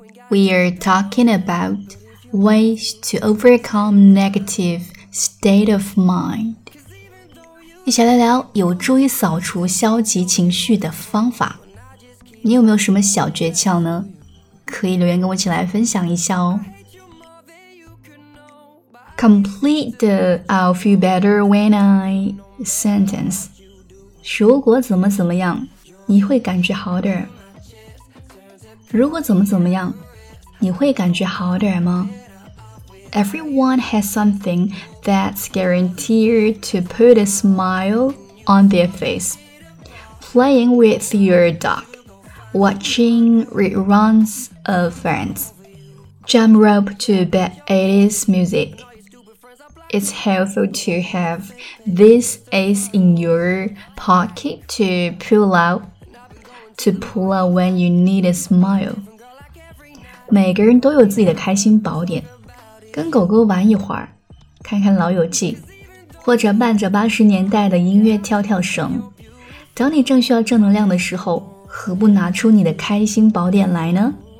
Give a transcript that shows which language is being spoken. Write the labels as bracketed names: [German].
[English] We are talking about ways to overcome negative state of mind. [Chinese] 一起来聊有助于扫除消极情绪的方法。你有没有什么小诀窍呢？可以留言跟我一起来分享一下哦。 [English] Complete the I'll feel better when I sentence. [Chinese] 如果怎么怎么样，你会感觉好点。如果怎么怎么样，你会感觉好点吗？ [English] Everyone has something that's guaranteed to put a smile on their face. Playing with your dog, watching reruns of Friends, jump rope to bed 80s music. It's helpful to have this ace in your pocket to pull out when you need a smile. [Chinese] 每个人都有自己的开心宝典，跟狗狗玩一会儿，看看老友记，或者伴着80年代的音乐跳跳绳。当你正需要正能量的时候，何不拿出你的开心宝典来呢？